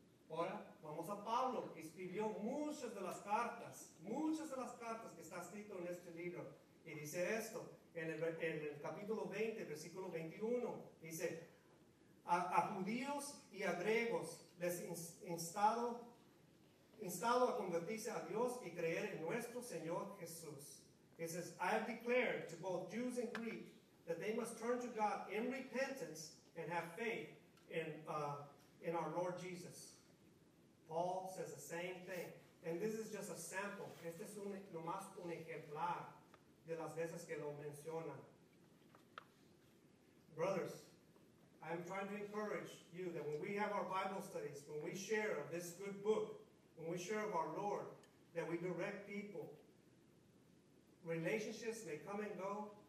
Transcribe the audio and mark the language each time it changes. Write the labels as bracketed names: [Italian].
[Spanish] Ahora, vamos a Pablo, que escribió muchas de las cartas que está escrito en este libro. Y dice esto, en el capítulo 20, versículo 21, dice, a judíos y a griegos les instado a convertirse a Dios y creer en nuestro Señor Jesús. [English] He says, I have declared to both Jews and Greek that they must turn to God in repentance and have faith in our Lord Jesus. Paul says the same thing. And this is just a sample. [Spanish] Este es nomás un ejemplar de las veces que lo menciona. [English] Brothers, I'm trying to encourage you that when we have our Bible studies, when we share of this good book, when we share of our Lord, that we direct people. Relationships may come and go.